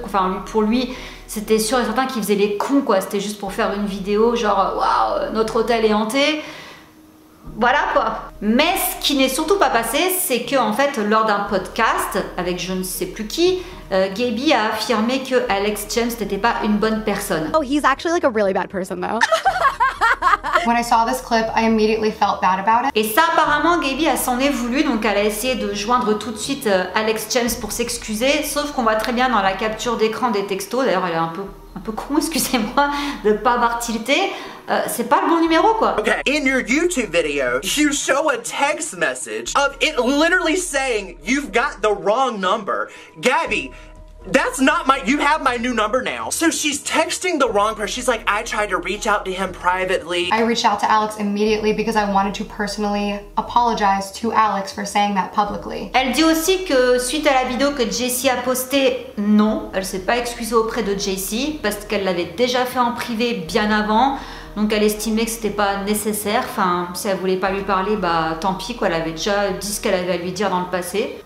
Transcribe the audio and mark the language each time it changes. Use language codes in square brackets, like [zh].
[fr] Enfin, pour lui, c'était sûr et certain qu'il faisait les cons, quoi. C'était juste pour faire une vidéo, genre, waouh, notre hôtel est hanté. Voilà quoi. Mais ce qui n'est surtout pas passé, c'est que en fait, lors d'un podcast avec je ne sais plus qui, Gaby a affirmé que Alex James n'était pas une bonne personne. [en] Oh, he's actually like a really bad person though. When I saw this clip, I immediately felt bad about it. [fr] Et ça, apparemment, Gaby s'en est voulu, donc elle a essayé de joindre tout de suite Alex James pour s'excuser. Sauf qu'on voit très bien dans la capture d'écran des textos. D'ailleurs, elle est un peu con, excusez-moi, de pas avoir tilté. C'est pas le bon numéro, quoi. [en] Okay. In your YouTube video, you show a text message of it literally saying you've got the wrong number, Gabby. That's not my, you have my new number now. So she's texting the wrong person. She's like, I tried to reach out to him privately. I reached out to Alex immediately because I wanted to personally apologize to Alex for saying that publicly. [fr] Elle dit aussi que suite à la vidéo que Jaycee a postée, non, elle s'est pas excusée auprès de Jaycee parce qu'elle l'avait déjà fait en privé bien avant. Donc elle estimait que c'était pas nécessaire, enfin si elle voulait pas lui parler, bah tant pis quoi, elle avait déjà dit ce qu'elle avait à lui dire dans le passé.